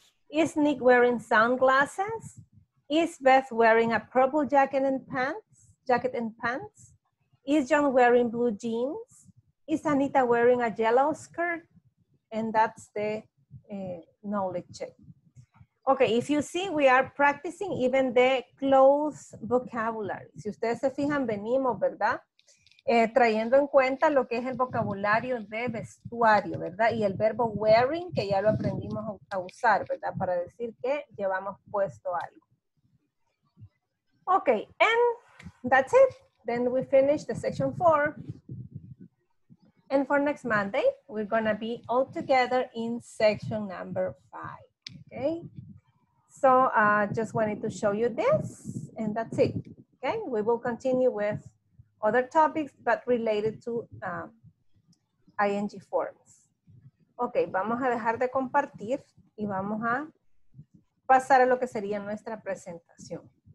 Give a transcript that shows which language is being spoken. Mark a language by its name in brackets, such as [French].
[English] Is Nick wearing sunglasses? Is Beth wearing a purple jacket and pants? Is John wearing blue jeans? Is Anita wearing a yellow skirt? And that's the knowledge check. Okay, if you see, we are practicing even the close vocabulary. [Spanish] Si ustedes se fijan, venimos, ¿verdad? Trayendo en cuenta lo que es el vocabulario de vestuario, ¿verdad? Y el verbo wearing, que ya lo aprendimos a usar, ¿verdad? Para decir que llevamos puesto algo. [English] Okay, and that's it. Then we finish the section 4. And for next Monday, we're going to be all together in section number 5. Okay, so I just wanted to show you this, and that's it. Okay, we will continue with other topics, but related to ING forms. [Spanish] Okay, vamos a dejar de compartir y vamos a pasar a lo que sería nuestra presentación.